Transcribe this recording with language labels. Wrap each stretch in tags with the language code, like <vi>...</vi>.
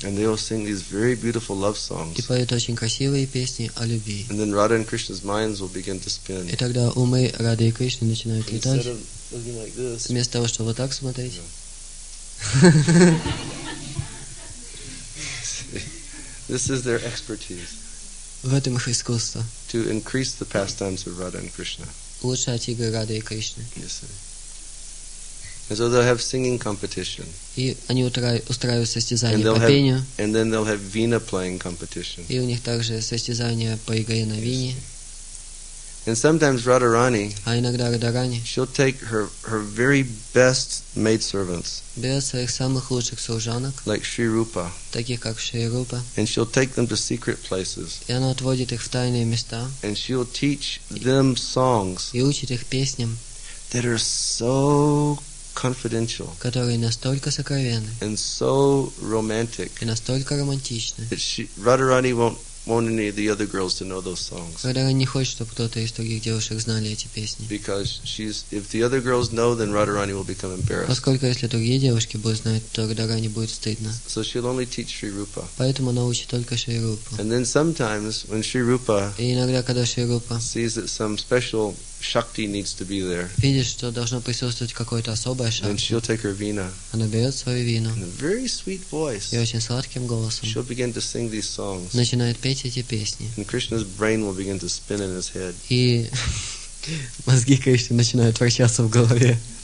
<en>And they will sing these very beautiful love songs.</en> <ru>И поют очень красивые песни о любви.</ru> <en>And then Radha and Krishna's minds will begin to spin.</en> <ru>И тогда умы Радхи и Кришны начинают летать.</ru> <en>Instead of looking like this.</en> <ru>Вместо того, чтобы вот так смотреть.</ru> <en>This is their expertise.</en> <ru>В этом их искусство.</ru> <en>To increase the pastimes of Radha and Krishna.</en> <ru>Улучшать игры Радхи и Кришны.</ru> <en>Yes, sir. And so they'll have singing competition.</en> <ru>И они устраивают состязание по пению.</ru> <en>And then they'll have vina playing competition.</en> <ru>И у них также состязание по игре на вине.</ru> <en>And sometimes Radharani,</en> <ru>а иногда Радарани,</ru> <en>she'll take her very best maid servants,</en> <ru>берет своих самых лучших служанок,</ru> <en>like Shri Rupa,</en> <ru>таких как Шри Рупа,</ru> <en>and she'll take them to secret places,</en> <ru>и она отводит их в тайные места,</ru> <en>and she'll teach them songs,</en> <ru>и учит их песням,</ru> <en>that are so confidential,</en> <ru>которые настолько сокровенны,</ru> <en>and so romantic,</en> <ru>и настолько романтичны,</ru> <en>that Radharani won't any of the other girls to know those songs.</en> <ru>Радарани не хочет, чтобы кто-то из других девушек знали эти песни.</ru> <en>Because if the other girls know, then Radharani will become embarrassed.</en> <ru>Поскольку если другие девушки будут знать, то Радарани будет стыдно.</ru> <en>So she'll only teach Shri Rupa.</en> <ru>Поэтому она учит только Шри Рупу.</ru> <en>And then sometimes when Shri Rupa,</en> <ru>и иногда когда Шри Рупа</ru> <en>sees that some special shakti needs to be there,</en> <ru>видит, что должно присутствовать какое-то особое шакти,</ru> <en>then she'll take her vina,</en> <ru>она берет свою вину,</ru> <en>in a very sweet voice,</en> <ru>и очень сладким голосом,</ru> <en>she'll begin to sing these songs,</en> <ru>начинает петь эти песни,</ru> <en>and Krishna's brain will begin to spin in his head,</en> <ru>и мозги Кришны начинают вращаться в голове,</ru>